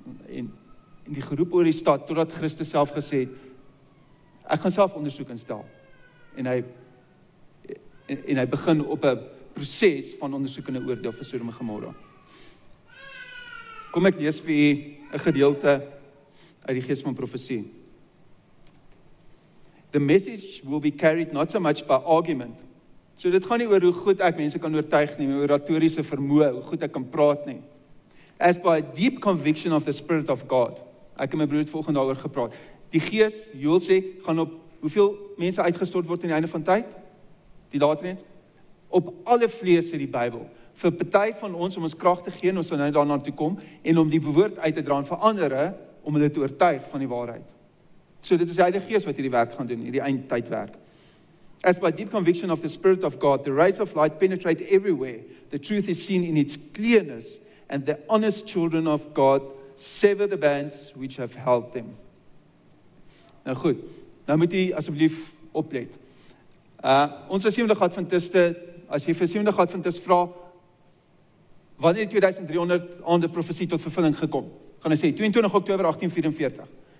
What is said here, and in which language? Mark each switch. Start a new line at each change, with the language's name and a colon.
Afrikaans: En die geroep oor die stad, totdat Christus self gesê het, ek gaan self ondersoek instel. En hy begin op 'n proses van ondersoek en 'n oordeel vir Sodom en Gomorra. Kom ek lees vir u 'n gedeelte uit die Gees van Profesie.
English: The message will be carried not so much by argument.
Afrikaans: So dit gaan nie oor hoe goed ek mense kan oortuig nie, oor retoriese vermoë, hoe goed ek kan praat nie.
English: As by a deep conviction of the Spirit of God.
Afrikaans: Ek het my broer het volgende daaroor gepraat. Die Gees, Joel sê, gaan op hoeveel mense uitgestort word in die einde van tyd? Die laatreens? Op alle vlees in die Bybel. Vir party van ons, om ons krag te gee, en ons sal nou daarna toe kom, en om die woord uit te dra en vir ander, om hulle te oortuig van die waarheid. So dit is die Heilige Gees wat hierdie werk gaan doen, hierdie eindtyd werk.
English: As by deep conviction of the Spirit of God, the rays of light penetrate everywhere. The truth is seen in its clearness, and the honest children of God sever the bands which have held them.
Afrikaans: Nou goed, nou moet jy asseblief oplet. Ons Seevende Adventiste, as jy vir Seevende Adventiste vra, wanneer die 2300 aande profesie tot vervulling gekom? Gaan hy sê, 22 Oktober 1844.